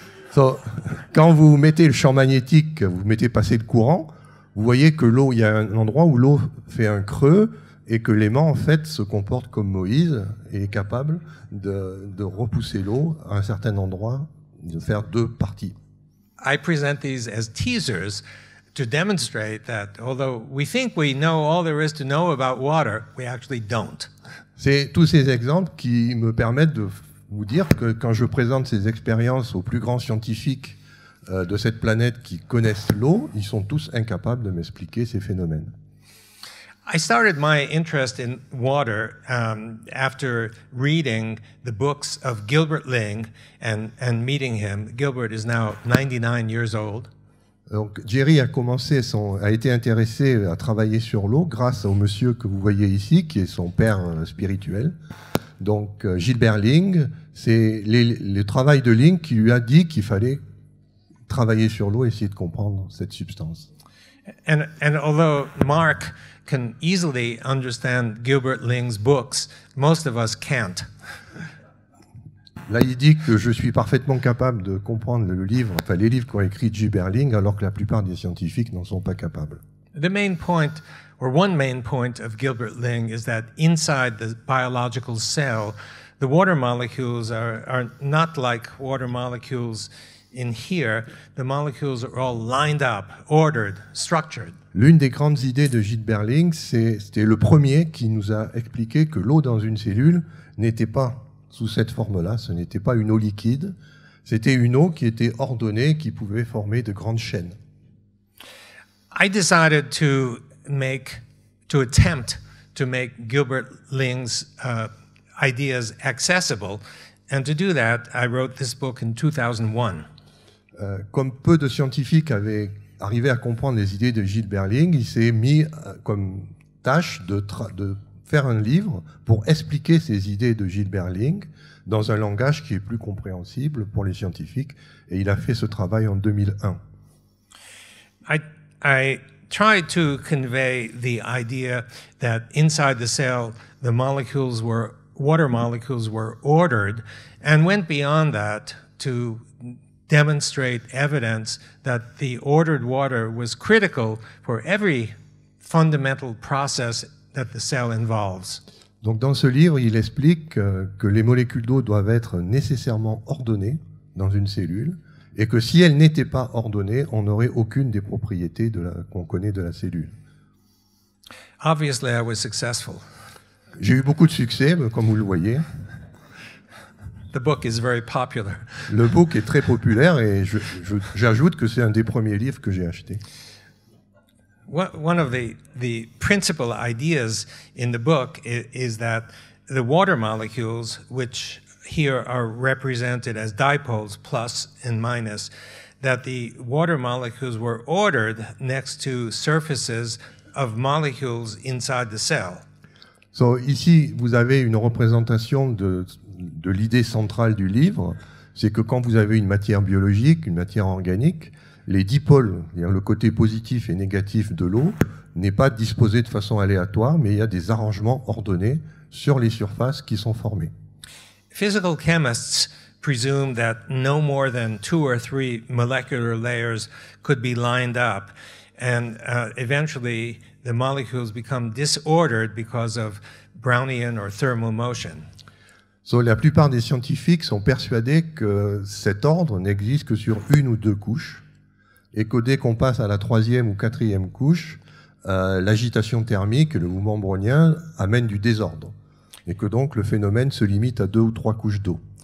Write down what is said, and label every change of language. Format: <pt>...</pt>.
<fr>So, quand vous mettez le champ magnétique, vous mettez passer le courant, vous voyez que l'eau, il y a un endroit où l'eau fait un creux et que l'aimant, en fait, se comporte comme Moïse et est capable de repousser l'eau à un certain endroit, de faire deux parties.</fr> <en>I present these as teasers to demonstrate that although we think we know all there is to know about water, we actually don't.</en> <fr>C'est tous ces exemples qui me permettent de vous dire que quand je présente ces expériences aux plus grands scientifiques de cette planète qui connaissent l'eau, ils sont tous incapables de m'expliquer ces phénomènes.</fr> <en>I started my interest in water after reading the books of Gilbert Ling and meeting him. Gilbert is now 99 years old.</en> <fr>Donc Jerry a commencé son a été intéressé à travailler sur l'eau grâce au monsieur que vous voyez ici qui est son père spirituel. Donc Gilbert Ling, c'est le travail de Ling qui lui a dit qu'il fallait travailler sur l'eau et essayer de comprendre cette substance.</fr> <en>And although Mark can easily understand Gilbert Ling's books, most of us can't.</en> <fr>Là, il dit que je suis parfaitement capable de comprendre le livre, enfin les livres qu'ont écrit Gilbert Ling, alors que la plupart des scientifiques n'en sont pas capables.</fr> <en>The main point, or one main point of Gilbert Ling, is that inside the biological cell, the water molecules are not like water molecules in here. The molecules are all lined up, ordered, structured.</en> <fr>L'une des grandes idées de Gilbert Ling, c'était le premier qui nous a expliqué que l'eau dans une cellule n'était pas sous cette forme-là, ce n'était pas une eau liquide, c'était une eau qui était ordonnée, qui pouvait former de grandes chaînes.</fr> <en>I decided to attempt to make Gilbert Ling's ideas accessible, and to do that, I wrote this book in 2001.</en> <fr>Comme peu de scientifiques avaient arrivé à comprendre les idées de Gilbert Ling, il s'est mis comme tâche de faire un livre pour expliquer ces idées de Gilbert Ling dans un langage qui est plus compréhensible pour les scientifiques. Et il a fait ce travail en 2001.</fr> <en>I tried to convey the idea that inside the cell, the molecules were, water molecules were ordered, and went beyond that to demonstrate evidence that the ordered water was critical for every fundamental process that the cell involves.</en> <fr>Donc dans ce livre, il explique que les molécules d'eau doivent être nécessairement ordonnées dans une cellule et que si elles n'étaient pas ordonnées, on n'aurait aucune des propriétés qu'on connaît de la cellule.</fr> <en>Obviously, I was successful.</en> <fr>J'ai eu beaucoup de succès, comme vous le voyez.</fr> <en>The book is very popular.</en> <fr>Le book est très populaire et j'ajoute que c'est un des premiers livres que j'ai acheté.</fr> <en>One of the principal ideas in the book is that the water molecules, which here are represented as dipoles, plus and minus, that the water molecules were ordered next to surfaces of molecules inside the cell.</en> <fr>So, ici, vous avez une représentation de l'idée centrale du livre, c'est que quand vous avez une matière biologique, une matière organique, les dipôles, c'est-à-dire le côté positif et négatif de l'eau, n'est pas disposé de façon aléatoire, mais il y a des arrangements ordonnés sur les surfaces qui sont formées.</fr> <en>Physical chemists presume that no more than two or three molecular layers could be lined up, and eventually the molecules become disordered because of Brownian or thermal motion.</en> <fr>So, la plupart des scientifiques sont persuadés que cet ordre n'existe que sur une ou deux couches et que dès qu'on passe à la troisième ou quatrième couche, l'agitation thermique et le mouvement brownien amènent du désordre. et que donc le phénomène se limite à deux ou trois couches d'eau.</fr>